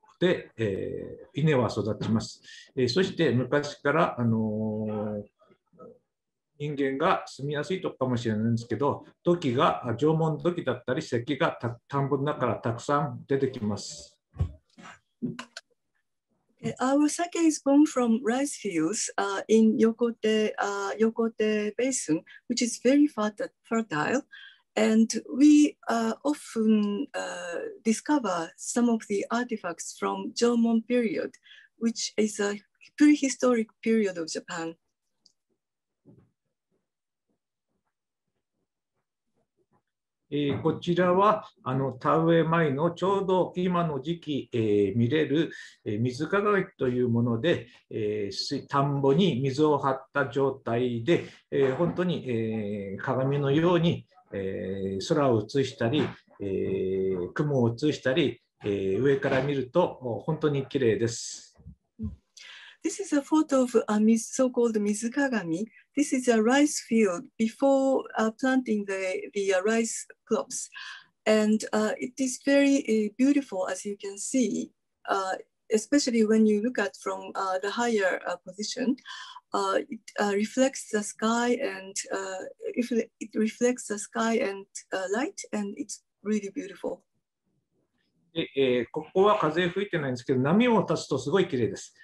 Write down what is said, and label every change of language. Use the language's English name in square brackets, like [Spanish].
[Japanese] で、稲は育ちます。そして昔から人間が住みやすいとかもしれないんですけど、土器が縄文土器だったり、石器が田んぼの中からたくさん出てきます。 [English] Our sake is born from rice fields in Yokote, Yokote Basin, which is very fertile. And we often discover some of the artifacts from Jomon period, which is a prehistoric period of Japan. [Japanese] こちらは田植え前のちょうど今の時期、見れる、水鏡というもので、田んぼに水を張った状態で、本当に、鏡のように、空を映したり、雲を映したり、上から見ると本当に綺麗です。 [English] This is a photo of a so-called 水鏡。 This is a rice field before planting the rice crops. And it is very beautiful, as you can see, especially when you look at from the higher position. It reflects the sky and it reflects the sky and light, and it's really beautiful. [Japanese] ここは風吹いてないんですけど、波を立つとすごい綺麗です。